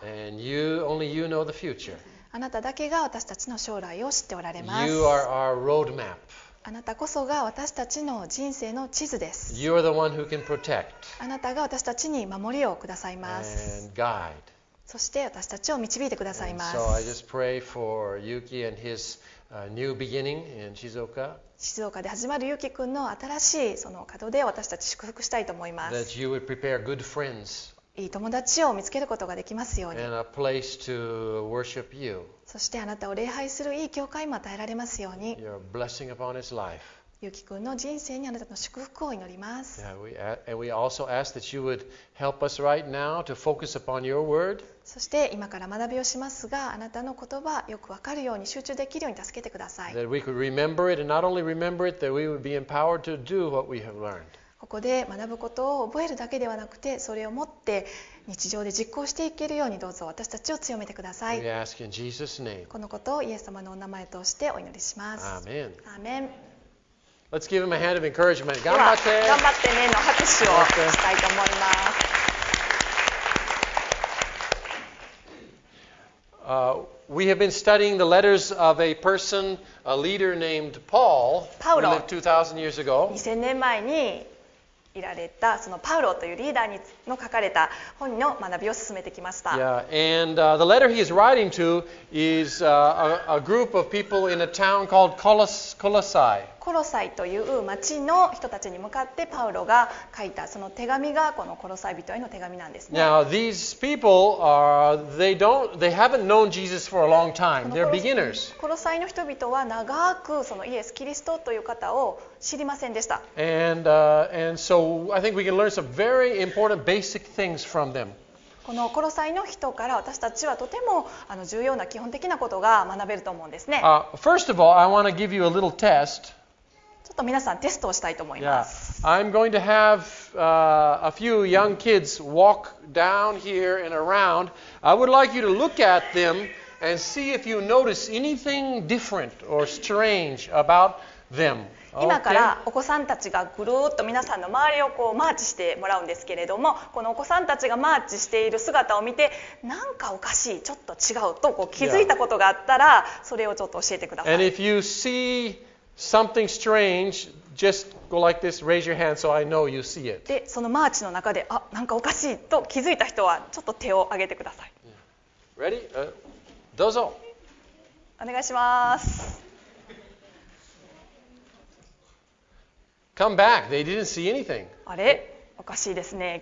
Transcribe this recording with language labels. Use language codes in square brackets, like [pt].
[en] And you, only you know the future. [ja] あなただけが私たちの将来を知っておられます。 [en] You are our roadmap. [ja] あなたこそが私たちの人生の地図です。 [en] You are the one who can protect. [ja] あなたが私たちに守りをくださいます。 [en] And guide. [ja] そして私たちを導いてくださいます。 [en] And so I just pray for Yuki and his new beginning in Shizuoka. [ja] 静岡で始まるゆうき君の新しいその門出を私たち祝福したいと思います。 [en] That you would prepare good friends. [ja] いい友達を見つけることができますように。 [en] And a place to worship you. [ja] そしてあなたを礼拝するいい教会も与えられますように。 [en] Your blessing upon his life. [ja] ゆき君の人生にあなたの祝福を祈ります。 [en] Yeah, and we also ask that you would help us right now to focus upon your word. [ja] そして今から学びをしますが、あなたの言葉よくわかるように集中できるように助けてください。 [en] That we could remember it and not only remember it, that we would be empowered to do what we have learned. [ja] ここで学ぶことを覚えるだけではなくて、それをもって日常で実行していけるようにどうぞ私たちを強めてください。 [en] We ask in Jesus' name. [ja] このことをイエス様のお名前としてお祈りします。アーメン。アーメン。 [en] Let's give him a hand of encouragement. [ja] 頑張って。頑張ってねの拍手をしたいと思います。 [en] We have been studying the letters of a person, a leader named Paul, Paulo, who lived 2,000 years ago. [ja] 2000年前に。いられたそのパウロというリーダーにの書かれた本の学びを進めてきました。 [en] Yeah, and the letter he is writing to is a group of people in a town called Colossae. [ja] コロサイという町の人たちに向かってパウロが書いたその手紙がこのコロサイ人への手紙なんですね。 [en] Now these people are they haven't known Jesus for a long time. They're beginners. [ja] コロサイの人々は長くそのイエス・キリストという方を知りませんでした。 [en] And so I think we can learn some very important basic things from them. [ja] このコロサイの人から私たちはとても重要な基本的なことが学べると思うんですね。 [en] First of all, I want to give you a little test. [ja] ちょっと皆さんテストをしたいと思います。 [en] Yeah. I'm going to have a few young kids walk down here and around. I would like you to look at them and see if you notice anything different or strange about them. [ja] 今からお子さんたちがぐるっと皆さんの周りをこうマーチしてもらうんですけれども、このお子さんたちがマーチしている姿を見て、なんかおかしい、ちょっと違うとこう気づいたことがあったら、それをちょっと教えてください。 [en] And if you see something strange, just go like this, raise your hand so I know you see it. [ja] で、そのマーチの中で、あ、なんかおかしいと気づいた人は、ちょっと手を挙げてください。 [en] Ready? [ja] どうぞ。お願いします。 [en] Come back. They didn't see anything. [ja] あれ、おかしいですね。